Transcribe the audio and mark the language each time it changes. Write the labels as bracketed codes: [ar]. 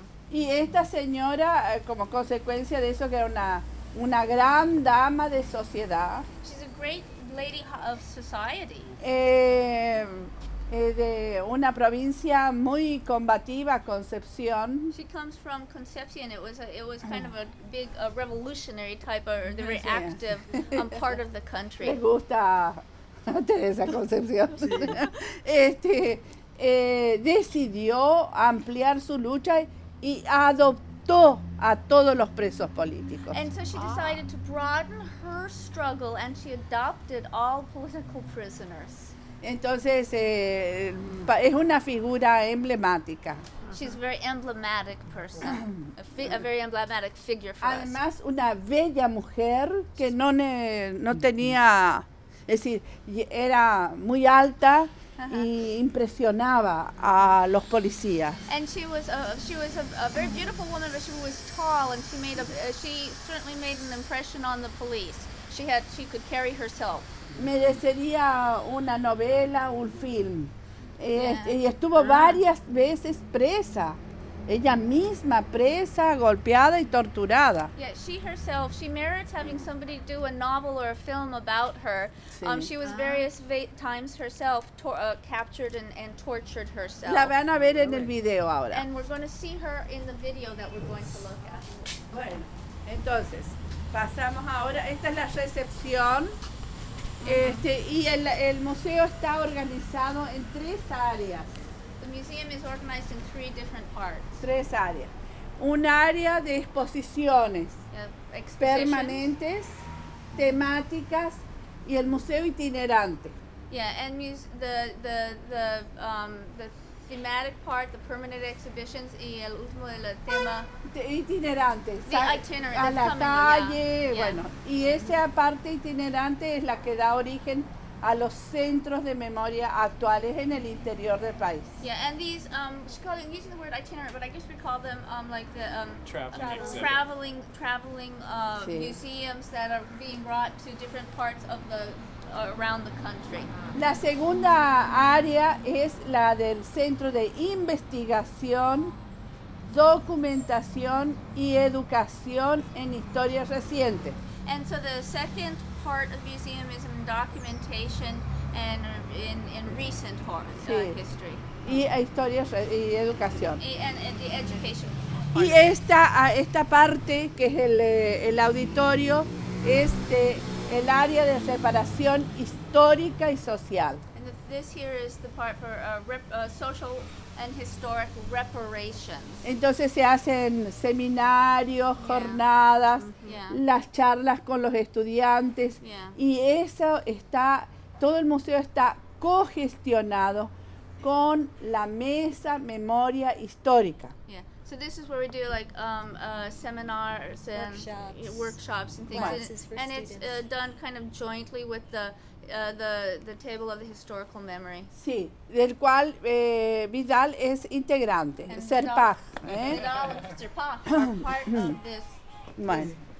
[es] Y esta señora, como consecuencia de eso, que era una gran dama de sociedad. [en] She's a great lady of society. [es] De una provincia muy combativa, Concepción. [en] She comes from Concepción. It was kind of a big revolutionary type of the very active part of the country. [es] Me gusta Teresa Concepción. decidió ampliar su lucha y adoptó a todos los presos políticos. [en] And so she decided to broaden her struggle and she adopted all political prisoners. [es] Entonces, es una figura emblemática. [en] She's a very emblematic person, a very emblematic figure for [es] Además, [en] us. [es] Una bella mujer que no tenía, es decir, era muy alta y impresionaba a los policías. [en] And she was a very beautiful woman, but she was tall and she certainly made an impression on the police. She could carry herself. [es] Merecería una novela, un film. Y estuvo varias veces presa. Ella misma presa, golpeada y torturada. [en] Yeah, she herself, she merits having somebody do a novel or a film about her. [es] Sí. [en] She was various times herself captured and tortured herself. [es] La van a ver en el video ahora. [en] And we're going to see her in the video that we're going to look at. [es] Bueno, entonces, pasamos ahora. Esta es la recepción. Y el museo está organizado en tres áreas. [en] The museum is organized in three different parts. [es] Tres áreas. Un área de exposiciones permanentes, temáticas y el museo itinerante. [en] Yeah, and the thematic part, the permanent exhibitions, [es] y el último el tema itinerante, [en] the itinerant, [es] a la calle, yeah. Bueno, y esa parte itinerante es la que da origen a los centros de memoria actuales en el interior del país. [en] Yeah, and these, calling, using the word itinerant, but I just recall them like the traveling [es] sí. [en] Museums that are being brought to different parts of the around the country. [es] La segunda área es la del centro de investigación, documentación y educación en historia reciente. [en] And so the second part of museum is in documentation and in recent history. [es] Y historia y educación. [en] And the education part. [es] Y esta parte que es el auditorio es de el área de reparación histórica y social. [en] And this here is the part for social and historic reparations. [es] Entonces se hacen seminarios, [en] yeah. [es] Jornadas, mm-hmm. Las charlas con los estudiantes, [en] yeah. [es] Y eso está, todo el museo está cogestionado con la mesa memoria histórica. [en] Yeah. So this is where we do like seminars and workshops and things, classes and it's done kind of jointly with the table of the historical memory. [es] Sí, del cual Vidal es integrante, [en] and Serpaj. Vidal and Serpaj are part of this memory.